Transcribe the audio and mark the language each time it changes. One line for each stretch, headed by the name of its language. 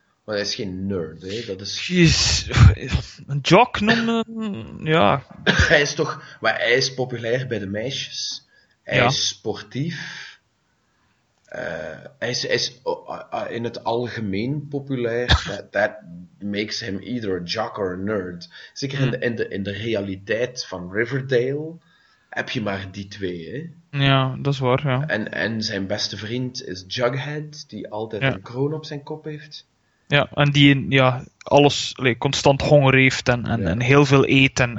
Dutch: Maar hij is geen nerd, hè. Dat is... Jeez. Een jock noemen? Ja. Hij is toch... Maar hij is populair bij de meisjes. Hij is sportief. Hij is in het algemeen populair.
English: That makes him either a jock or a nerd.
Dutch: Zeker in de realiteit van Riverdale heb je maar die twee, hè. Ja, dat is waar, ja. En zijn beste vriend is Jughead, die altijd een kroon op zijn kop heeft. Ja, en die constant honger heeft en heel veel eten.